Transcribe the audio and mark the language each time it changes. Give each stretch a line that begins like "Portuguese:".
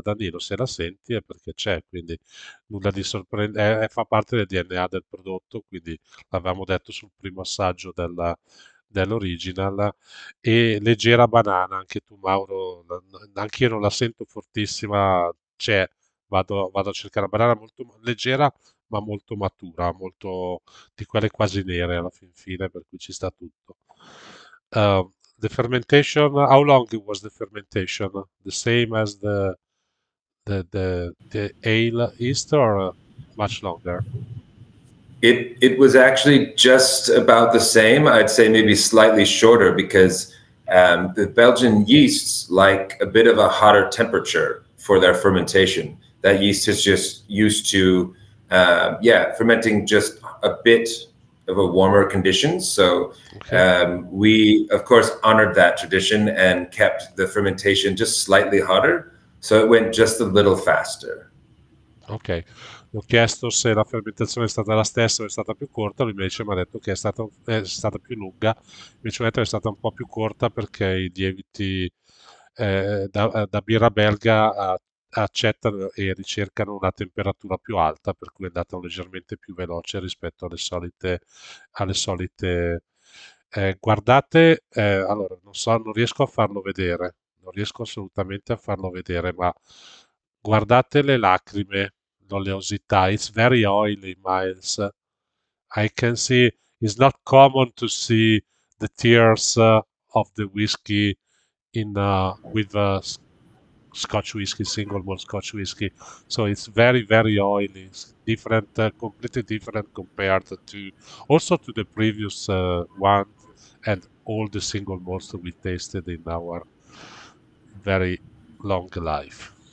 Italian: Danilo, se la senti è perché c'è, quindi nulla di sorprendente, fa parte del DNA del prodotto, quindi l'avevamo detto sul primo assaggio dell'original, e leggera banana anche tu, Mauro, anche io non la sento fortissima, cioè vado a cercare la banana molto leggera ma molto matura, molto di quelle quasi nere alla fin fine, per cui ci sta tutto.
English: The fermentation, how long was the fermentation? The same as the ale yeast, or much longer? It was actually just about the same. I'd say maybe slightly shorter, because the Belgian yeasts like a bit of a hotter temperature for their fermentation. That yeast is just used to fermenting just a bit of a warmer condition. So we, of course, honored that tradition and kept the fermentation just slightly hotter, so it went just a little faster.
Italian: Ok, ho chiesto se la fermentazione è stata la stessa o è stata più corta, lui invece mi ha detto che è stata più lunga, invece mi ha detto che è stata un po' più corta perché i lieviti da birra belga accettano e ricercano una temperatura più alta, per cui è andata leggermente più veloce rispetto alle solite guardate, allora non so, non riesco a farlo vedere, non riesco assolutamente a farlo vedere, ma guardate le lacrime,
English: oleosità. It's very oily, Miles. I can see it's not common to see the tears of the whiskey in with a Scotch whiskey, single malt Scotch whiskey. So it's very, very oily. It's different, completely different compared to also to the previous one and all the single malts we tasted in our very long life.